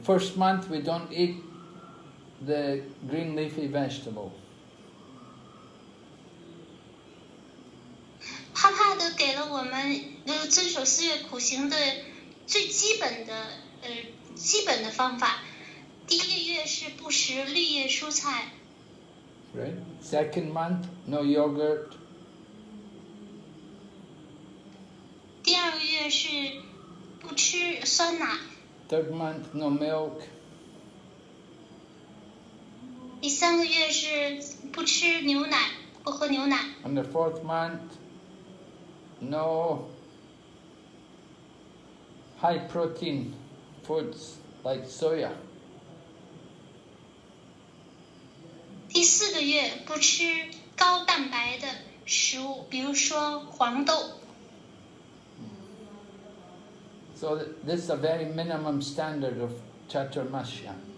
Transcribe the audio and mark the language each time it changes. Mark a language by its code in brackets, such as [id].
[en] First month, we don't eat the green leafy vegetable. [zh] 帕帕德给了我们遵守四月苦行的最基本的方法。第一个月是不食绿叶蔬菜。 [en] Right. Second month, no yogurt. [zh] 第二个月是不吃酸奶。 [en] Third month, no milk. [zh] 第三个月是不吃牛奶，不喝牛奶。 [en] On the fourth month. No high protein foods like soya. [zh] 第四个月不吃高蛋白的食物，比如说黄豆。 [en] So this is a very minimum standard of Chaturmasya.